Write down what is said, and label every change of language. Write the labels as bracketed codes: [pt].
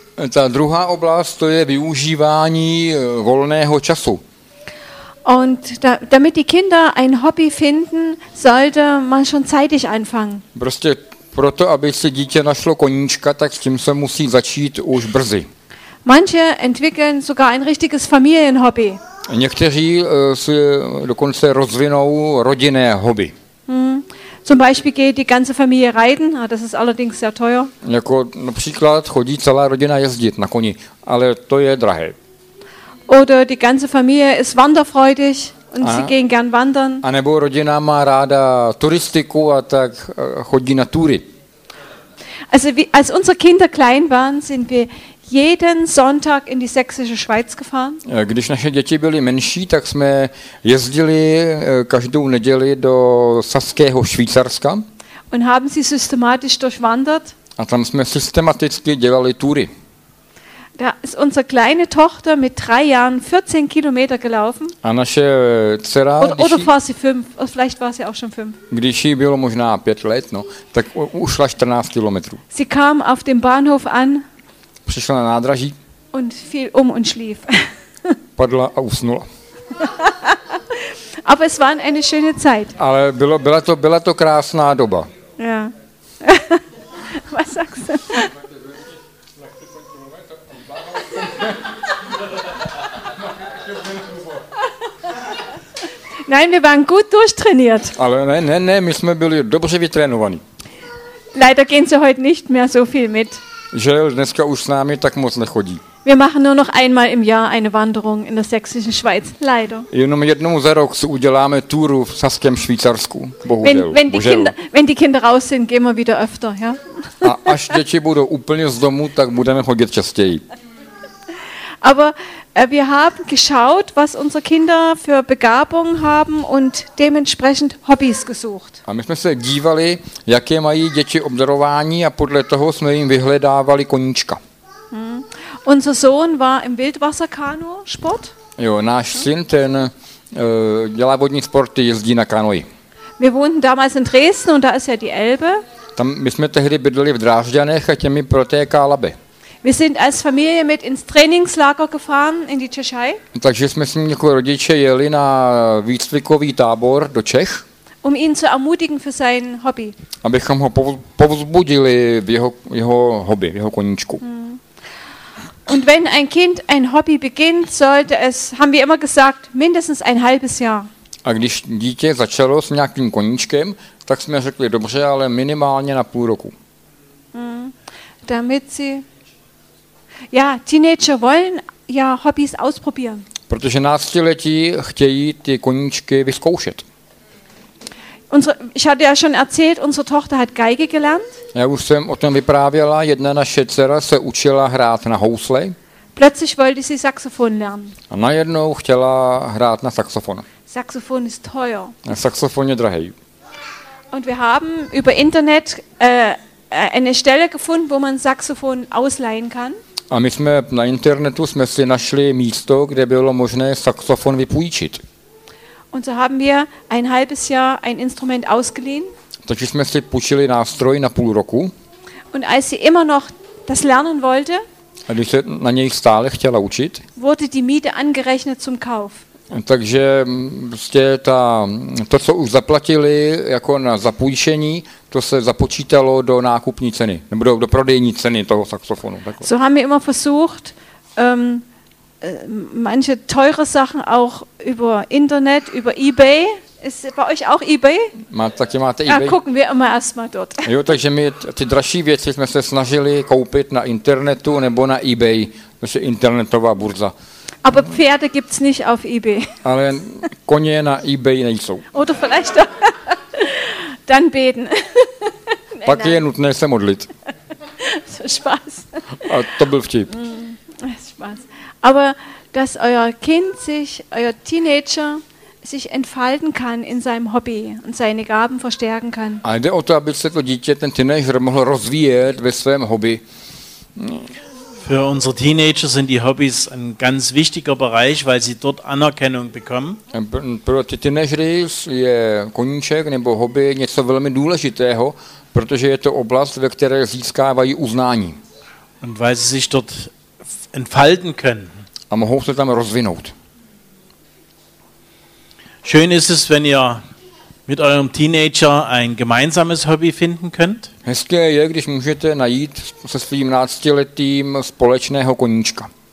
[cs] Ta druhá oblast to je využívání volného času. [de] Und damit die Kinder ein Hobby finden, sollte man schon zeitig anfangen. [cs] Prostě proto, aby si dítě našlo koníčka, tak s tím se musí začít už brzy. [de] Manche entwickeln sogar ein richtiges Familienhobby. [cs] Někteří si dokonce rozvinou rodinné hobby. [de] Zum Beispiel geht die ganze Familie reiten, das ist allerdings sehr teuer. [cs] Jako například chodí celá rodina jezdit na koni, ale to je drahé. [de] Oder die ganze Familie ist wanderfreudig und sie gehen gern wandern. [cs] A nebo rodina má ráda turistiku a tak chodí na túry. [de] Also als unsere Kinder klein waren, sind wir jeden Sonntag in die Sächsische Schweiz gefahren. [cs] Když naše děti byly menší, tak jsme jezdili každou neděli do Saského Švýcarska. [de] Und haben sie systematisch durchwandert. [cs] A tam jsme systematicky dělali túry. [de] Da ist unsere kleine Tochter mit 3 Jahren 14 Kilometer gelaufen. [cs] A naše dcera, [de] oder war sie 5, vielleicht war sie auch schon 5. [cs] Když jí bylo možná 5 let, no, tak ušla 14 kilometrů. [de] Sie kam auf dem Bahnhof an. [cs] Přišla na nádraží. [de] Und fiel und schlief. [cs] Padla a usnula. [de] Aber es waren eine schöne Zeit. [cs] Ale byla to krásná doba. [de] Ja. Was sagst du? Nein, wir waren gut durchtrainiert. [cs] Ale ne, my jsme byli dobře vytrénovaní. [de] Leider gehen sie heute nicht mehr so viel mit. [cs] Žel, dneska už s námi tak moc nechodí. [de] Wir machen nur noch einmal im Jahr eine Wanderung in der Sächsischen Schweiz, leider. [cs] Jenom jednou za rok si uděláme túru v Saském Švýcarsku, bohužel. [de] Wenn die Kinder raus sind, gehen wir wieder öfter, ja? [cs] A až děti budou úplně z domu, tak budeme chodit častěji. [de] Aber wir haben geschaut, was unsere Kinder für Begabung haben und dementsprechend Hobbys gesucht. [cs] A my jsme se dívali, jaké mají děti obdarování a podle toho jsme jim vyhledávali koníčka. [de] Unser Sohn war im Wildwasserkanu Sport. [cs] Jo, náš syn ten dělá vodní sporty, jezdí na kanoji. [de] Wir wohnten damals in Dresden und da ist ja die Elbe. [cs] Tam my jsme tehdy bydleli v Drážďanech a těmi protéká Labe. [de] Wir sind als Familie mit ins Trainingslager gefahren in die Tschechei. [cs] Takže jsme s ním jako rodiče jeli na výcvikový tábor do Čech. [de] Um ihn zu ermutigen für sein Hobby. [cs] Abychom ho povzbudili v jeho hobby, jeho koníčku. [de] Und wenn ein Kind ein Hobby beginnt, sollte es, haben wir immer gesagt, mindestens ein halbes Jahr. [cs] A když dítě začalo s nějakým koníčkem, tak jsme řekli dobře, ale minimálně na půl roku. [de] Damit sie ja, Teenager wollen ja Hobbys ausprobieren. [cs] Protože náctiletí chtějí ty koníčky vyzkoušet. [de] Ich hatte ja schon erzählt, unsere Tochter hat Geige gelernt. [cs] Já už jsem o tom vyprávěla, jedna naše dcera se učila hrát na housle. [de] Plötzlich wollte sie Saxophon lernen. [cs] A najednou chtěla hrát na saxofon. [de] Saxophon ist teuer. [cs] Saxophon je drahý. [de] Und wir haben über Internet eine Stelle gefunden, wo man Saxophon ausleihen kann. [cs] A my jsme na internetu jsme si našli místo, kde bylo možné saxofon vypůjčit. [de] Und so haben wir ein halbes Jahr ein Instrument ausgeliehen. [cs] Takže jsme si půjčili nástroj na půl roku. [de] Und als sie immer noch das lernen wollte, [cs] a když se na něj stále chtěla učit, [de] wurde die Miete angerechnet zum Kauf. [cs] Takže prostě to, co už zaplatili jako na zapůjčení, to se započítalo do nákupní ceny, nebo do prodejní ceny toho saxofonu. Takhle. [de] So haben wir immer versucht, manche teure Sachen auch über Internet, über eBay. Ist bei euch auch eBay? [cs] Taky máte eBay? [de] Na, gucken wir immer erstmal dort. [cs] Jo, takže my ty dražší věci jsme se snažili koupit na internetu nebo na eBay, to je internetová burza. [de] Aber Pferde gibt's nicht auf eBay. [cs] Ale koně na eBay nejsou. [de] Oder vielleicht doch. Dann beten. [cs] Pak je nutné se modlit. [de] So Spaß. [cs] A to byl vtip. [de] Spaß. Aber dass euer Kind sich, euer Teenager sich entfalten kann in seinem Hobby und seine Gaben verstärken kann. [cs] A jde o to, aby se to dítě, ten teenager, mohl rozvíjet ve svém hobby. [de] Für unsere Teenager sind die Hobbys ein ganz wichtiger Bereich, weil sie dort Anerkennung bekommen. [cs] Pro ty teenagery je koníček nebo hobby něco velmi důležitého, protože je to oblast, ve které získávají uznání. [de] Und weil sie sich dort entfalten können. [cs] A mohou se tam rozvinout. [de] Schön ist es, wenn ihr mit eurem Teenager ein gemeinsames Hobby finden könnt. [cs] Hezké je, když můžete najít se svým náctiletým společného koníčka.